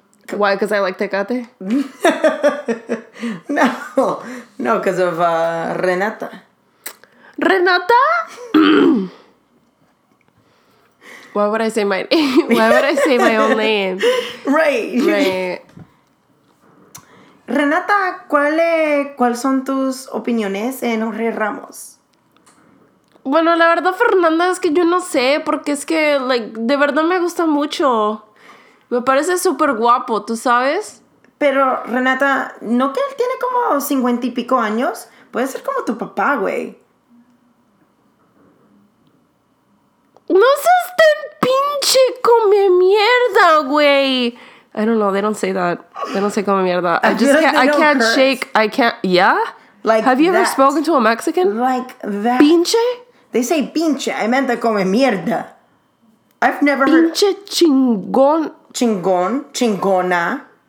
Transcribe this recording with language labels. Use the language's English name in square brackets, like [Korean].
[English] Why? Because I like Tecate? No. No, because of Renata. Renata? Why would I say my name? Why would I say my own name? Right. [Spanish] Renata, ¿cuál son tus opiniones en Jorge Ramos? Bueno, la verdad, Fernanda, es que yo no sé, porque es que, like, de verdad me gusta mucho. Me parece súper guapo, ¿tú sabes? Pero, Renata, ¿no que él tiene como 50 y pico años? Puede ser como tu papá, güey. ¡No seas tan pinche come mierda, güey! [English] I don't know. They don't say that. They don't say [Spanish] como mierda. [English] I just can't. I can't shake. I can't. Yeah? Like, have you ever spoken to a Mexican? Like that. [Spanish] Pinche? [English] They say pinche. I meant the [Spanish] come mierda. [English] I've never [Spanish] heard. Pinche chingon. Chingon. Chingona.